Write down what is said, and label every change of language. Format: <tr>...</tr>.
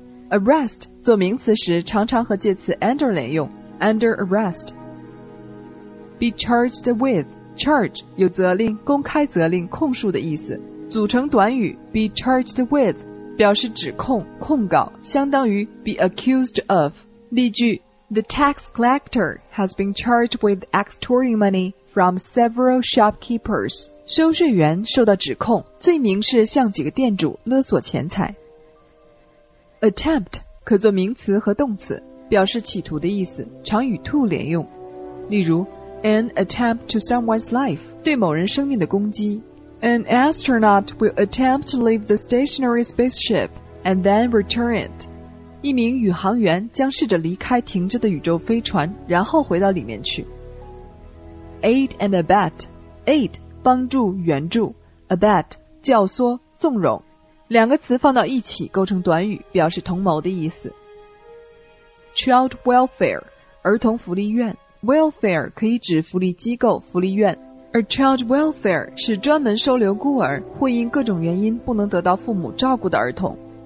<zh>Arrest 做名词时常常和介词 under 连用， under arrest。 Be charged with， charge 有责令、公开责令、控诉的意思，组成短语 be charged with 表示指控、控告，相当于 be accused of。</zh> <en>例句， The tax collector has been charged with extorting money from several shopkeepers，</en> <zh>收税员受到指控，罪名是向几个店主勒索钱财。 Attempt 可做名词和动词，表示企图的意思，常与 to 连用，例如</zh> <en>An attempt to someone's life</en> <zh>对某人生命的攻击。</zh> <en>An astronaut will attempt to leave the stationary spaceship and then return it，</en> <zh>一名宇航员将试着离开停着的宇宙飞船，然后回到里面去。 Aid and abet， aid 帮助援助， abet 教唆纵容，两个词放到一起构成短语，表示同谋的意思。 Child welfare 儿童福利院， welfare 可以指福利机构、福利院，而 child welfare 是专门收留孤儿或因各种原因不能得到父母照顾的儿童。</zh>